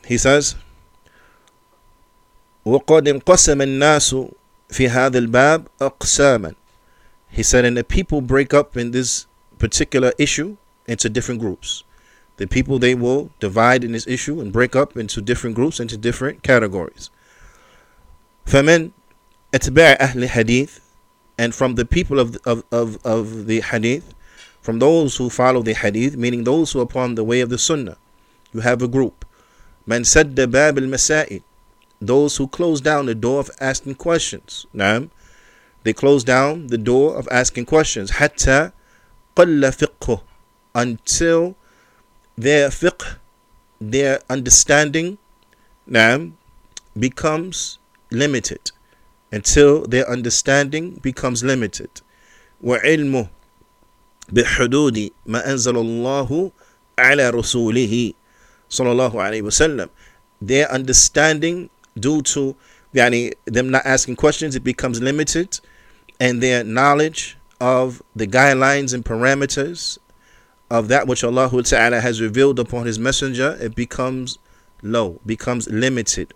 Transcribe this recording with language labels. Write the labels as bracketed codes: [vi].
[en] He says, [ar] وقد انقسم الناس في هذا الباب أقساما. [en] He said, and the people break up in this particular issue into different groups. The people, they will divide in this issue and break up into different groups, into different categories. [ar] فمن اتباع أهل الحديث, [en] and from the people of the hadith, from those who follow the hadith, meaning those who are upon the way of the sunnah, you have a group. [ar] من سد باب المسائل, [en] those who close down the door of asking questions. نعم. They close down the door of asking questions. [ar] حتى قل فقه, [en] until their fiqh, their understanding, نعم, becomes limited. Until their understanding becomes limited. [ar] وعلمه بحدود ما أنزل الله على رسوله صلى الله عليه وسلم. [en] Their understanding, due to يعني, them not asking questions, it becomes limited. And their knowledge of the guidelines and parameters of that which Allah Ta'ala has revealed upon His Messenger, it becomes low, becomes limited.